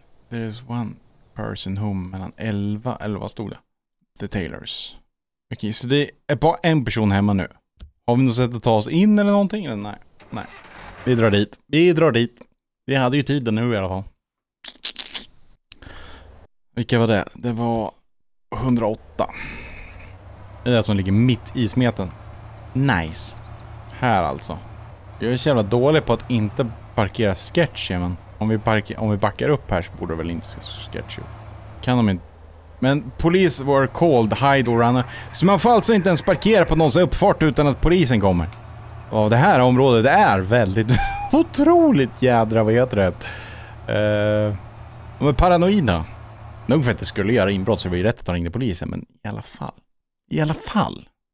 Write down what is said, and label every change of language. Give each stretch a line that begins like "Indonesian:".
English: There is one person home
Swedish: mellan
English: 11.
Swedish: Eller vad stod det? The Taylors. Okej, okay, så det är bara en person hemma nu. Har vi något sätt att ta oss in eller någonting? Eller nej, nej. Vi drar dit. Vi drar dit. Vi hade ju tiden nu i alla fall. Vilka var det? Det var 108. Det är det som ligger mitt i smeten. Nice. här alltså. Jag är så jävla dålig på att inte parkera sketchy, men om vi backar upp här så borde det väl inte se så sketchy. Kan de inte? Men
English: police were called, hide or run.
Swedish: Så man får alltså inte ens parkera på någons uppfart utan att polisen kommer. Och det här området är väldigt otroligt jädra, vad heter det? De är paranoida. Nog för att det skulle göra inbrott så det var ju rätt att de ringde polisen, men i alla fall. I alla fall.